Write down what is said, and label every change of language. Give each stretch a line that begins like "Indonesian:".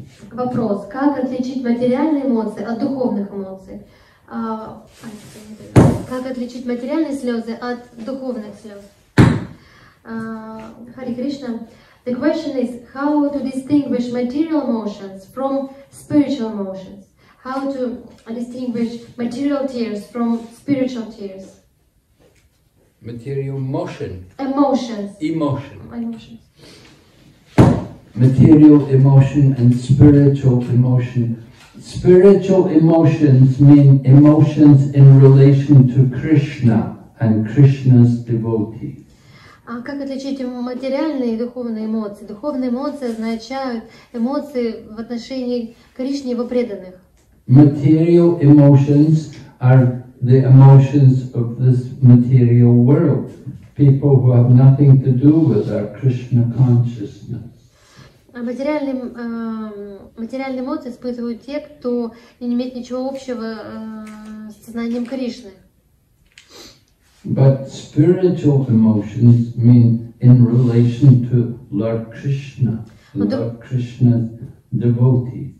Russian: Вопрос, как отличить материальные эмоции от духовных эмоций? Как отличить материальные слезы от духовных слез? Хари Кришна.
English: The question is how to distinguish material emotions from spiritual emotions. How to distinguish material tears from spiritual tears? Material motion. Emotions. Emotion. Emotions. Material emotion and spiritual emotion. Spiritual emotions mean emotions in relation to Krishna and Krishna's devotees.
Russian: А как отличить материальные и духовные эмоции? Духовные эмоции означают эмоции в отношении Кришны и его преданных.
English: Material emotions are the emotions of this material world. People who have nothing to do with our Krishna consciousness.
Russian: А материальные эмоции испытывают те, кто не имеет ничего общего с сознанием Кришны.
English: But spiritual emotions mean in relation to Lord Krishna, Lord Krishna's devotee.